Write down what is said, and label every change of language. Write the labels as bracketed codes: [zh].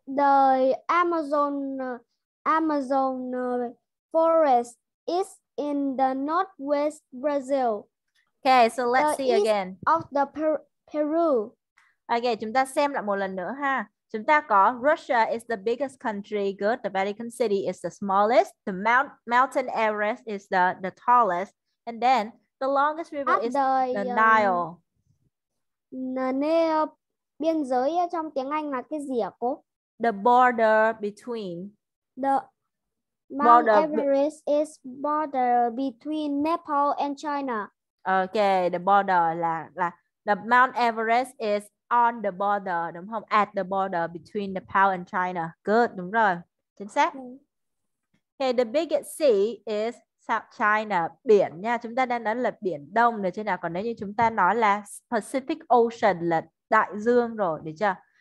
[en] Is the Amazon forest is in the northwest Brazil. Okay, so let's see The again. east of Peru. [vi] Okay, chúng ta xem lại một lần nữa ha. Chúng ta có [en] Russia is the biggest country. Good. The Vatican City is the smallest. The mountain Everest is the tallest. And then the longest river is the At Nile. [vi] the nơi biên giới trong tiếng Anh là cái gì ạ [en] The border between. [vi] cô? [en] Border. The Mount Everest is border between Nepal and China. Okay, the border là the Mount Everest is On the border, [vi] đúng không? [en] At the border between Nepal and China. Good, [vi] đúng rồi. Chính xác. Ừ. [en] Okay, the biggest sea is South China. [vi] Biển nha. Chúng ta đang nói là biển Đông rồi chứ nào. Còn nếu như chúng ta nói là Pacific Ocean là đại dương rồi, được chưa?